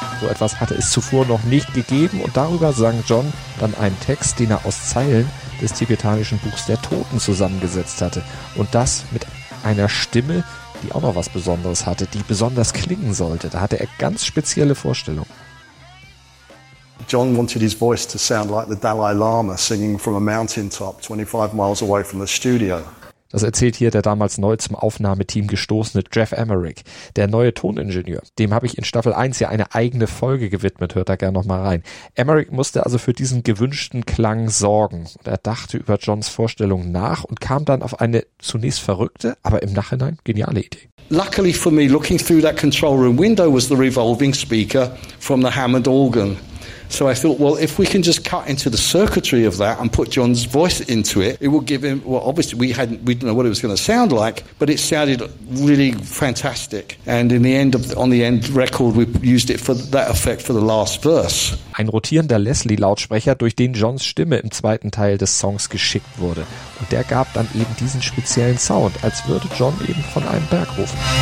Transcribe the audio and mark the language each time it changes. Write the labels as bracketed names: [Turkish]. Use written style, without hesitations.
[German] etwas hatte es zuvor noch nicht gegeben und darüber sang John dann einen Text, den er aus Zeilen des tibetanischen Buchs der Toten zusammengesetzt hatte. Und das mit einer Stimme, die auch noch was Besonderes hatte, die besonders klingen sollte. Da hatte er ganz spezielle Vorstellungen. [English] John wanted his voice to sound like the Dalai Lama singing from a mountaintop 25 miles away from the studio. [German] Das erzählt hier der damals neu zum Aufnahmeteam gestoßene Jeff Emmerich, der neue Toningenieur. Dem habe ich in Staffel 1 ja eine eigene Folge gewidmet, hört da gerne nochmal rein. Emmerich musste also für diesen gewünschten Klang sorgen. Er dachte über Johns Vorstellung nach und kam dann auf eine zunächst verrückte, aber im Nachhinein geniale Idee. [English] Luckily for me, looking through that control room window was the revolving speaker from the Hammond organ. So I thought, well, if we can just cut into the circuitry of that and put John's voice into it, it will give him, well, obviously we didn't know what it was going to sound like, but it sounded really fantastic. And in the end, on the end record, we used it for that effect for the last verse. [German] Ein rotierender Leslie-Lautsprecher, durch den Johns Stimme im zweiten Teil des Songs geschickt wurde. Und der gab dann eben diesen speziellen Sound, als würde John eben von einem Berg rufen.